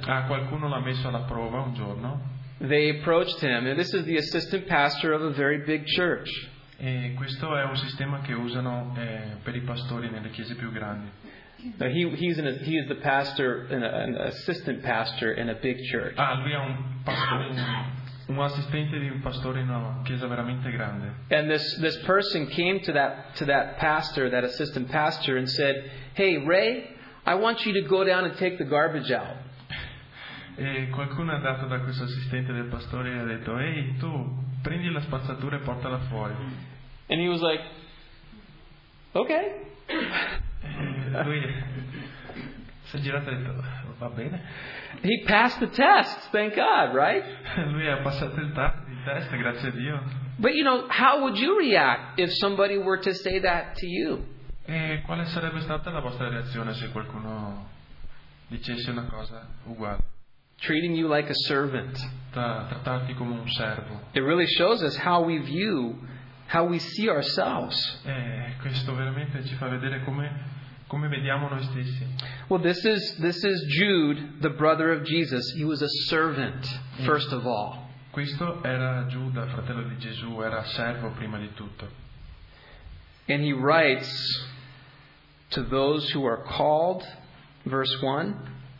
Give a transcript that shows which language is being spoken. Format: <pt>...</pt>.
<it>Qualcuno l'ha messo alla prova un giorno.</it> <en>They approached him, and this is the assistant pastor of a very big church.</en> <it>E questo è un sistema che usano per i pastori nelle chiese più grandi.</it> <en>He is the pastor, an assistant pastor in a big church.</en> <it>Lui è un pastore. Un assistente di un pastore in una chiesa veramente grande.</it> <en>And this person came to that pastor, that assistant pastor, and said, "Hey Ray, I want you to go down and take the garbage out."</en> <it>E qualcuno è andato da questo assistente del pastore e ha detto, "Ehi, tu prendi la spazzatura e portala fuori."</it> <en>And he was like, "Okay."</en> <it>E lui si è girato e ha detto, "Va bene."</it> <en>He passed the test, thank God, right?</en> <it>Lui ha passato il test, grazie a Dio.</it> <en>But you know, how would you react if somebody were to say that to you?</en> <it>E quale sarebbe stata la vostra reazione se qualcuno dicesse una cosa uguale?</it> <en>Treating you like a servant.</en> <it>Trattarti come un servo.</it> <en>It really shows us how we view, how we see ourselves.</en> <it>E questo veramente ci fa vedere come vediamo noi stessi.</it> <en>Well, this is Jude, the brother of Jesus. He was a servant first of all.</en> <it>Questo era Giuda, fratello di Gesù, era servo prima di tutto.</it> <en>And he writes to those who are called, verse 1.</en>